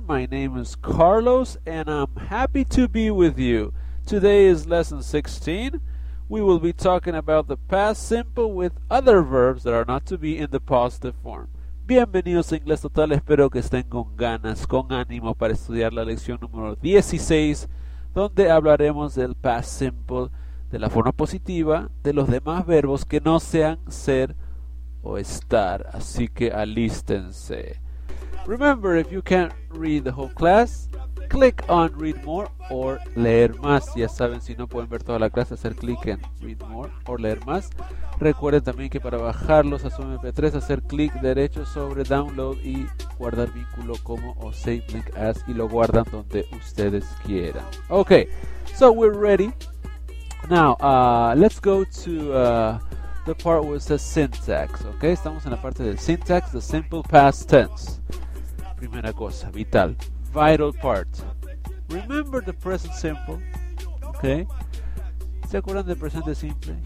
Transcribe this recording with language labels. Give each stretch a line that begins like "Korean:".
English: My name is Carlos, and I'm happy to be with you. Today is lesson 16. We will be talking about the past simple with other verbs that are not to be in the positive form.
Spanish: Bienvenidos a Inglés Total. Espero que estén con ganas, con ánimo para estudiar la lección número 16, donde hablaremos del past simple, de la forma positiva, de los demás verbos que no sean ser o estar, así que alístense.
English: Remember, if you can't read the whole class, click on read more or
Spanish: leer más. Ya saben, si no pueden ver toda la clase, hacer clic en
English: read more
Spanish: or leer más. Recuerden también que para bajarlos a su MP3, hacer clic derecho sobre download y guardar vínculo como o
English: save link as,
Spanish: y lo guardan donde ustedes quieran.
English: Okay, so we're ready. Now, let's go to the part was the syntax, okay?
Spanish: Estamos en la parte de syntax,
English: the simple past tense.
Spanish: Primera cosa, vital, vital part.
English: Remember the present simple, okay?
Spanish: ¿Se acuerdan del presente simple?